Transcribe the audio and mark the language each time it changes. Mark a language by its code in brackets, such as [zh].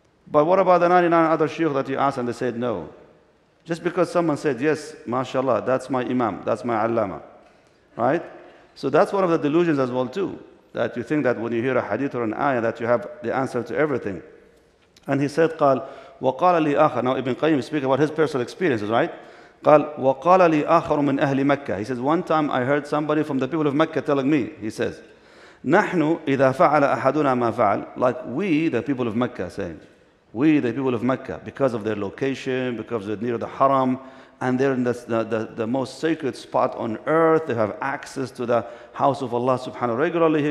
[en] But what about the 99 other sheikh that you asked and they said no? Just because someone said, yes, mashallah, that's my imam, that's my allama, right? So that's one of the delusions as well too, that you think that when you hear a hadith or an ayah that you have the answer to everything. And he said, [ar] قال, وقال لي آخر. [en] Now Ibn Qayyim speak about his personal experiences, right? [ar] قال وقال لي آخر من أهل مكة. [en] He says, one time I heard somebody from the people of Mecca telling me, he says, [ar] نحن إذا فعل أحدنا ما فعل, [en] like we, the people of Mecca, saying, we, the people of Mecca, because of their location, because they're near the Haram, and they're in the most sacred spot on earth, they have access to the house of Allah subhanahu wa regularly.